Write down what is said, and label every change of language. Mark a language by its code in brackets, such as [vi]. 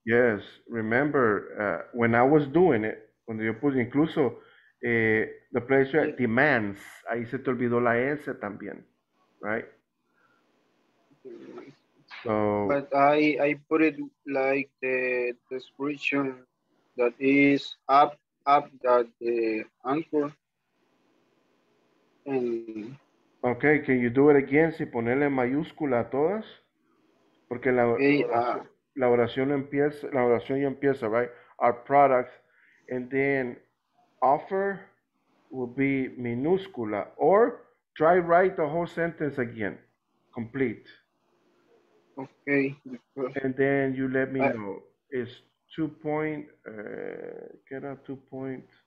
[en] Yes. Remember, when I was doing it, [es] cuando yo puse incluso [en] the pressure demands, [es] ahí se te olvidó la S también, [en] right? So. But I put it like the description that is up that the anchor. Okay, can you do it again? [es] Si ponerle mayúscula a todas, porque la oración ya empieza, right? [en] Our product, and then offer will be minúscula, or try write the whole sentence again, complete. Okay. And then you let me know. It's 2 point. Get a 2 point.